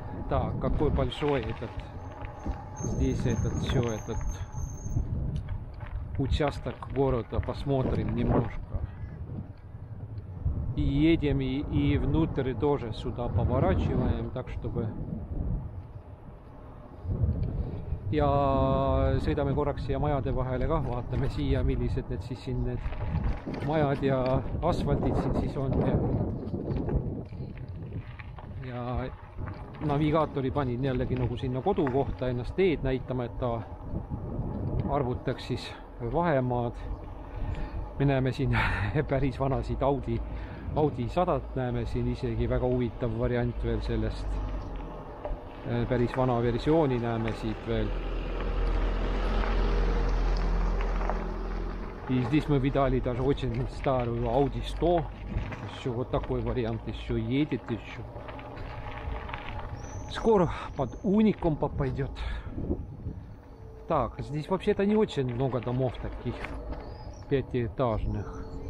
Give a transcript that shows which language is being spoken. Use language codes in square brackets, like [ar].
[ru] Так, какой большой этот здесь этот все этот участок города. Посмотрим немножко. И едем и внутрь тоже сюда поворачиваем, так чтобы. [et] Ja sõidame korraks siia majade vahele ka, vaatame siia, millised need siis siin need majad ja asfaltid siin siis on. Ja navigaatori pani jällegi nagu sinna kodukohta ennast teed näitama, et ta arvutaks siis vahemaad. Me näeme siin päris vanasid Audi sadat, näeme siin isegi väga huvitav variant veel sellest. Päris vana versiooni näeme siit veel. [ru] И здесь мы видали даже очень старую Audi 100. Еще вот такой вариант еще едет еще. Скоро под уником попадет. Так, здесь вообще-то не очень много домов таких пятиэтажных.